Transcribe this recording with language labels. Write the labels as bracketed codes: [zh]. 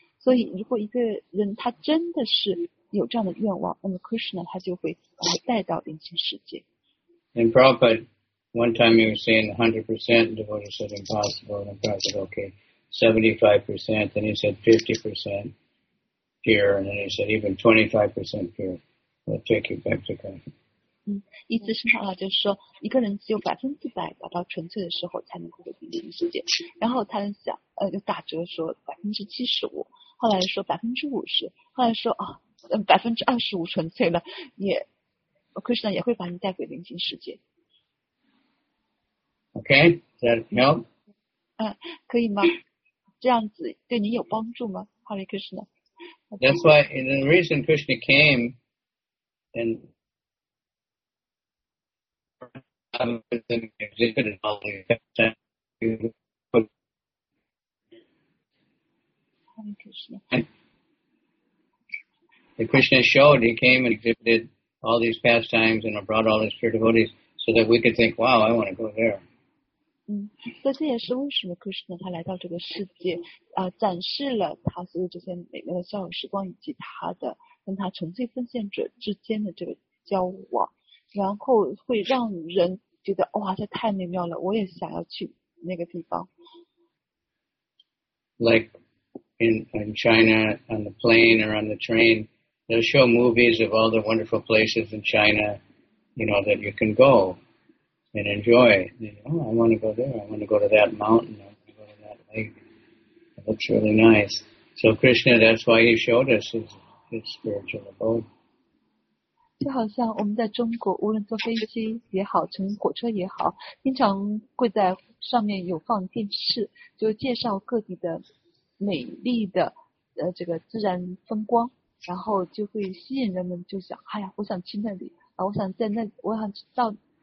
[zh] 所以如果一个人他真的是有这样的愿望，那么 Krishna 他就会把他带到灵性世界。 [en] And Prabhupada,One time he was saying 100%, and the devotee said impossible, and the Prabhupada said, okay, 75%, then he said 50% pure, and then he said even 25% pure, we'll take you back to God. [zh] 意思是他就说一个人只有100%达到纯粹的时候才能够回到灵性世界，然后他就想就打折说75%，后来说50%，后来说25%纯粹了，也 Krishna 也会把你带回灵性世界。 [en] Okay, does that help? [zh] 可以吗？这样子对你有帮助吗 ？Hare Krishna. [en] That's why, and the reason Krishna came, and exhibited all the effects. Hare Krishna. The Krishna showed, he came and exhibited all these pastimes and brought all his pure devotees so that we could think, wow, I want to go there. [zh] 所以这也是为什么 Krishna 他来到这个世界展示了他所有这些美妙的逍遥时光以及他的跟他纯粹奉献者之间的这个交往，然后会让人觉得哇这太美妙了，我也想要去那个地方。 [en] Like in China on the plane or on the train they'll show movies of all the wonderful places in China you know that you can goAnd enjoy. Oh, I want to go there. I want to go to that mountain. I want to go to that lake. It looks really nice. So Krishna, that's why he showed us his spiritual abode. [zh] 就好像我们在中国，无论坐飞机也好，乘火车也好，经常会在上面有放电视，就介绍各地的美丽的这个自然风光，然后就会吸引人们，就想，哎呀，我想去那里啊，我想在那，我想到。